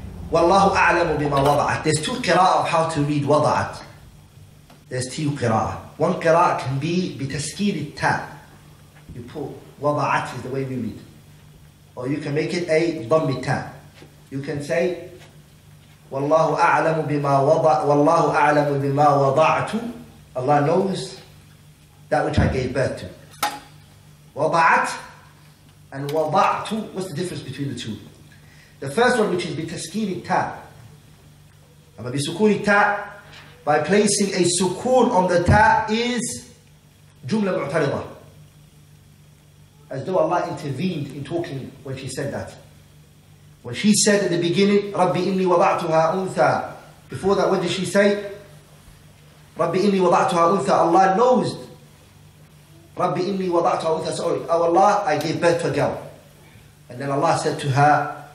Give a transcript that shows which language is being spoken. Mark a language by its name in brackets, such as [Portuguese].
[Arabic] وَاللَّهُ أَعْلَمُ بِمَا وَضَعَتْ. [English] There's two qira'ah of how to read وَضَعَتْ. There's two qira'ah. One qira'ah can be [Arabic] بِتَسْكِيرِ التَّاء. [English] You put وَضَعَتْ is the way we read. Or you can make it a [Arabic] ضَمِّ التَّاء. [English] You can say [Arabic] وَاللَّهُ أَعْلَمُ بِمَا وَضَعَتْ. وَاللَّهُ أَعْلَمُ بِمَا وَضَعَتُ. [English] Allah knows that which I gave birth to. [Arabic] وَضَعَتْ and وَضَعْتُ. [English] What's the difference between the two? The first one, which is [Arabic] بتسكين التاء. أما بسكون التاء, [English] by placing a [Arabic] سكون on the تاء is جملة معترضة. [English] As though Allah intervened in talking when she said that. When she said at the beginning, [Arabic] ربي إني وضعتها أنثى. [English] Before that, what did she say? [Arabic] ربي إني وضعتها أنثى. [English] Allah knows. [Arabic] ربي إني وضعتها أنثى. [English] Sorry. Oh Allah, I gave birth to a girl. And then Allah said to her,